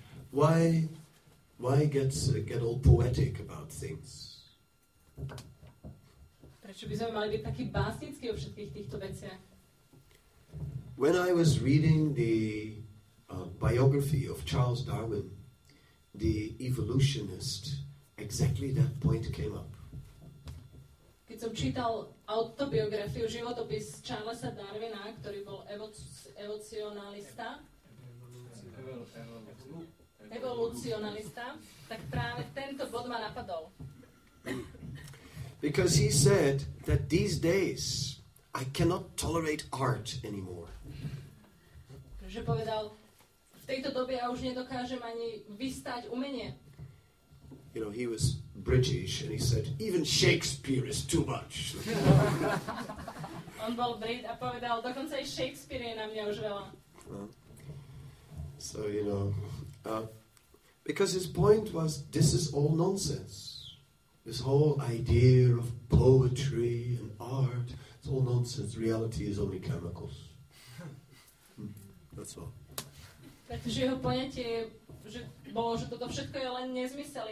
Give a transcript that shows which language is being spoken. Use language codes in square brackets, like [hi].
[en] Why get all poetic about things? [sk] Prečo by sme mali byť taký básnický o všetkých týchto veciach? [en] When I was reading the biography of Charles Darwin, the evolutionist, exactly that point came up. [sk] Keď som čítal autobiografiu, životopis Charlesa Darwina, ktorý bol evolucionalista, tak práve tento bod ma napadol. [en] Because he said that these days I cannot tolerate art anymore. [sk] Že povedal, v tejto dobe ja už nedokážem ani vystať umenie. [en] You know, he was British and he said even Shakespeare is too much. [sk] On bol Brit a povedal, dokonca aj Shakespeare je na mňa už veľa. [en] So, you know, because his point was, this is all nonsense. This whole idea of poetry and art, it's all nonsense. Reality is only chemicals. That's all. [sk] Pretože jeho poniatie je, že toto všetko je len nezmysel.